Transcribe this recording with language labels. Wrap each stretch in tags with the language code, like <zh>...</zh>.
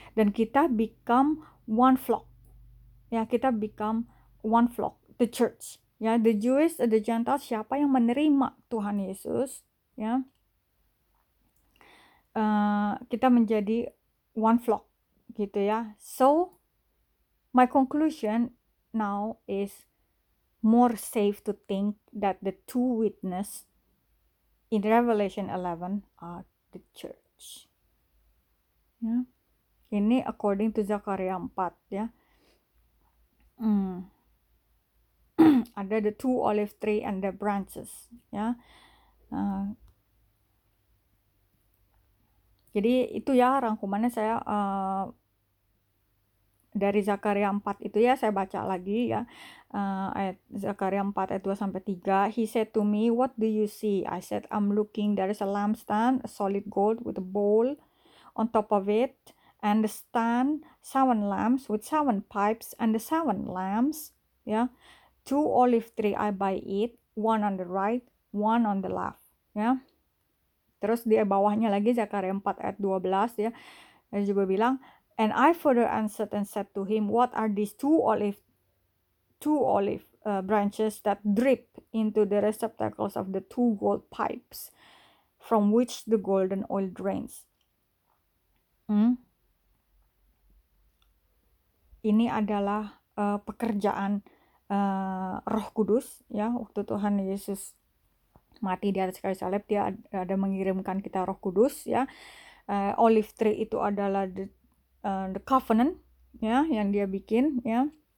<id>Dan kita</id> <en>become one flock.</en> <id>Ya, kita</id> <en>become one flock, the church.</en> <id>Ya,</id> <en>the Jewish and the Gentiles</en> <id>siapa yang menerima Tuhan Yesus? Ya, kita menjadi</id> <en>one flock,</en> <id>gitu, ya.</id> <en>So, my conclusion now is more safe to think that the two witness in Revelation 11 are the church.</en> <id>Ya, ini according to Zakaria 4, ya.</id> <en>Ada the two olive tree and the branches, ya.</en> <id>Jadi itu, ya, rangkumannya saya dari Zakaria 4 itu, ya, saya baca lagi, ya, ayat Zakaria 4 ayat 2-3.</id> <en>He said to me, what do you see? I said, I'm looking, there is a lampstand, a solid gold with a bowl on top of it, and the stand, seven lamps with seven pipes, and the seven lamps, ya, two olive tree I by it, one on the right, one on the left, ya.</en> <id>Terus di bawahnya lagi Zakaria 4 ayat 12, ya. Dia juga bilang,</id> <en>and I further answered and said to him, what are these two olive branches that drip into the receptacles of the two gold pipes from which the golden oil drains?</en> <id>Ini adalah pekerjaan Roh Kudus, ya, waktu Tuhan Yesus mati di atas kayu salib, dia ada mengirimkan kita Roh Kudus, ya. Olive tree itu adalah the covenant, ya, yang dia bikin, ya.</id>